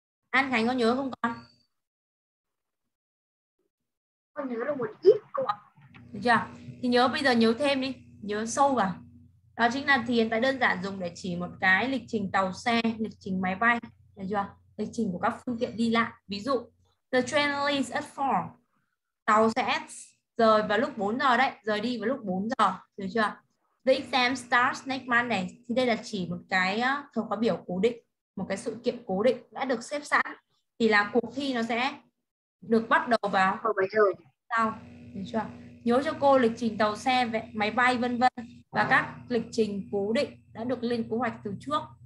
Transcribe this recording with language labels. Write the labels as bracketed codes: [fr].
[vi] An Khánh có nhớ không con? Con nhớ được một ít cô. Được chưa? Thì nhớ, bây giờ nhớ thêm đi, nhớ sâu vào. Đó chính là thì hiện tại đơn giản dùng để chỉ một cái lịch trình tàu xe, lịch trình máy bay, được chưa? Lịch trình của các phương tiện đi lại. Ví dụ, [en] the train leaves at 4. [vi] Tàu sẽ rời vào lúc 4 giờ đấy, rời đi vào lúc 4 giờ, được chưa? [en] The exam starts next Monday. [vi] Thì đây là chỉ một cái thời khóa biểu cố định, một cái sự kiện cố định đã được xếp sẵn. Thì là cuộc thi nó sẽ được bắt đầu vào sau, được chưa? Nhớ cho cô lịch trình tàu xe, máy bay, vân vân, và các lịch trình cố định đã được lên kế hoạch từ trước.